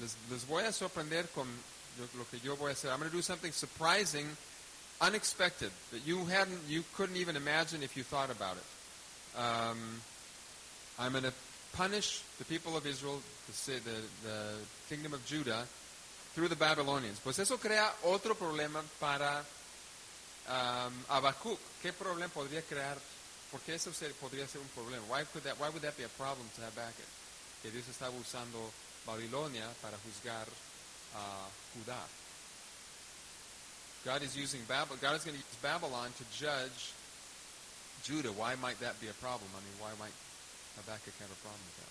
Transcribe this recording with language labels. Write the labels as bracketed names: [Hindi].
[Spanish] Les voy a sorprender con lo que yo voy a hacer. [English] I'm going to do something surprising, unexpected, that you couldn't even imagine if you thought about it. I'm going to punish the people of Israel, the kingdom of Judah, through the Babylonians. [Spanish] Pues eso crea otro problema para Habacuc. ¿Qué problema podría crear? ¿Por qué eso podría ser un problema? [English] Why would that be a problem to Habakkuk? [Spanish] Que Dios estaba usando Babilonia para juzgar a Judá. [English] God is going to use Babylon to judge Judah. Why might that be a problem? I mean, why might Habakkuk have a problem with that?